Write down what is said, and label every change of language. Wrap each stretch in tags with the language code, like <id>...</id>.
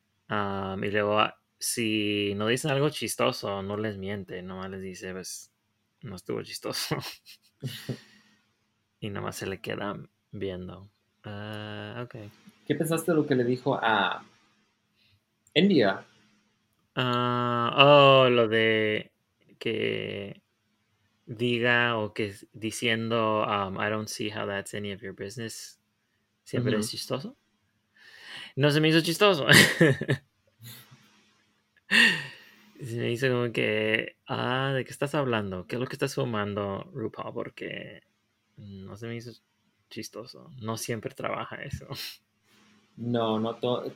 <es>Y luego si no dicen algo chistoso, no les miente. Nomás les dice, pues, no estuvo chistoso. Y nada más se le queda viendo. Okay. ¿Qué pensaste de lo que le dijo a India? Lo de que diga o que diciendo</es> <en>I don't see how that's any of your business.</en> <es>¿Siempre uh-huh. es chistoso? No se me hizo chistoso. Se me hizo como que ¿de qué estás hablando? ¿Qué es lo que estás fumando, RuPaul? Porque... no se me hizo chistoso. No siempre trabaja eso. No, no todo.</es>